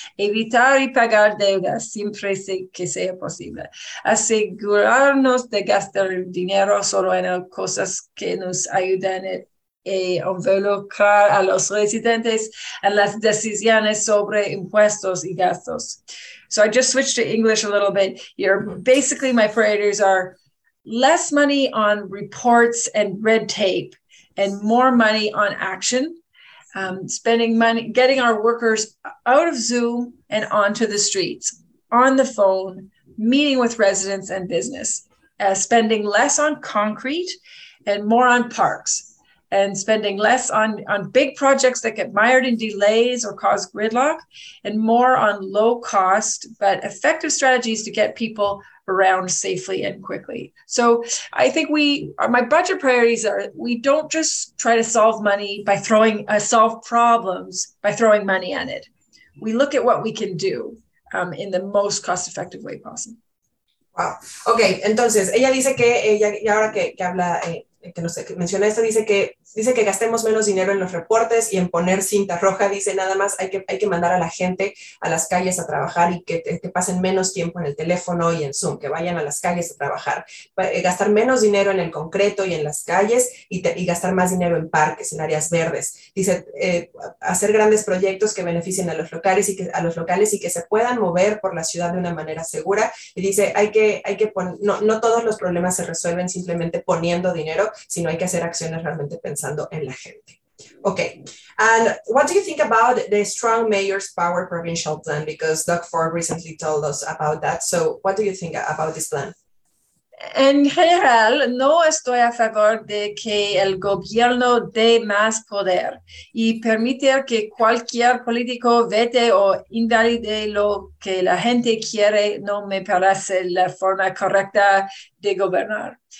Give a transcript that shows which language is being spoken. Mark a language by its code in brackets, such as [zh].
[es] Evitar y pagar deudas siempre que sea posible. Asegurarnos de gastar dinero solo en cosas que nos ayuden involucrar a los residentes en las decisiones sobre impuestos y gastos. [en] So I just switched to English a little bit. You're basically, my priorities are less money on reports and red tape and more money on action, spending money, getting our workers out of Zoom and onto the streets, on the phone, meeting with residents and business, spending less on concrete and more on parks, and spending less on big projects that get mired in delays or cause gridlock, and more on low cost but effective strategies to get people around safely and quickly. So I think my budget priorities are, we don't just try to solve money by throwing, solve problems by throwing money at it. We look at what we can do in the most cost-effective way possible. Wow. [es] Okay, entonces, ella dice que, ella, y ahora que habla, que no sé, que menciona esto, dice que gastemos menos dinero en los reportes y en poner cinta roja, dice, nada más hay que mandar a la gente a las calles a trabajar y que pasen menos tiempo en el teléfono y en Zoom, que vayan a las calles a trabajar. Gastar menos dinero en el concreto y en las calles y gastar más dinero en parques, en áreas verdes. Dice, hacer grandes proyectos que beneficien a los locales y que se puedan mover por la ciudad de una manera segura. Y dice, hay que no todos los problemas se resuelven simplemente poniendo dinero, sino hay que hacer acciones realmente pensando en la gente. [en] Okay, and what do you think about the strong mayor's power provincial plan? Because Doug Ford recently told us about that. So what do you think about this plan? [es] En general, no estoy a favor de que el gobierno dé más poder y permitir que cualquier político vete o invalide lo que la gente quiere. No me parece la forma correcta de gobernar.